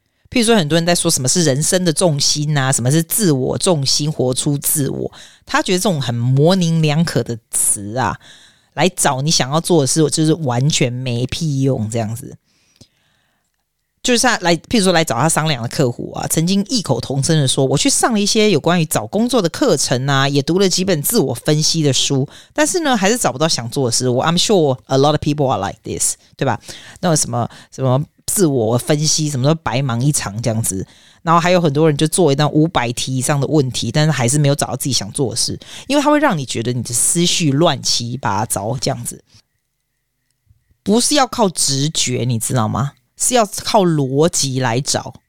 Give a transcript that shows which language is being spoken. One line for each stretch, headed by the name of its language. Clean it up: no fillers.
Chinese: 譬如说很多人在说什么是人生的重心啊，什么是自我重心，活出自我，他觉得这种很模棱两可的词啊来找你想要做的事，就是完全没屁用这样子。就是他来譬如说来找他商量的客户啊，曾经异口同声的说，我去上了一些有关于找工作的课程啊，也读了几本自我分析的书，但是呢还是找不到想做的事。
English: 我 I'm sure a lot of people are like this，对吧？
Chinese: 那什么什么自我分析什么都白忙一场这样子。然后还有很多人就做一段500题以上的问题，但是还是没有找到自己想做的事，因为它会让你觉得你的思绪乱七八糟这样子。不是要靠直觉你知道吗，是要靠逻辑来找。